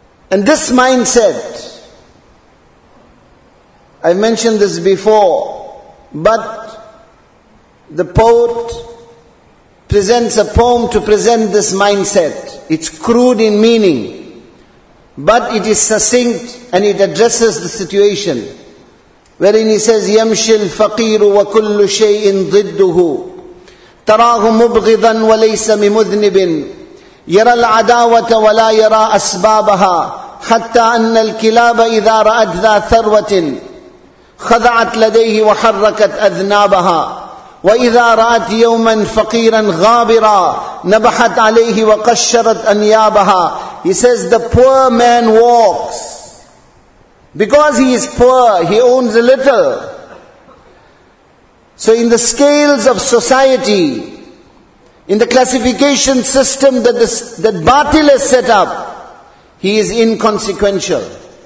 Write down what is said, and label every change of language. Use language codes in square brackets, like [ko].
[en] And this mindset, I've mentioned this before, but the poet presents a poem to present this mindset. It's crude in meaning, but it is succinct and it addresses the situation. Wherein he says, [ar] يَمْشِي الْفَقِيرُ وَكُلُّ شَيْءٍ ضِدُّهُ تراه مبغضا وليس بمذنب يرى العداوة ولا يرى أسبابها حتى أن الكلاب إذا رأت ذا ثروة خضعت لديه وحركت أذنابها وإذا رأت يوما فقيرا غابرا نبحت عليه وقشرت أنيابها. [en] He says the poor man walks because he is poor, he owns a little. So in the scales of society, in the classification system that Batil has set up, he is inconsequential.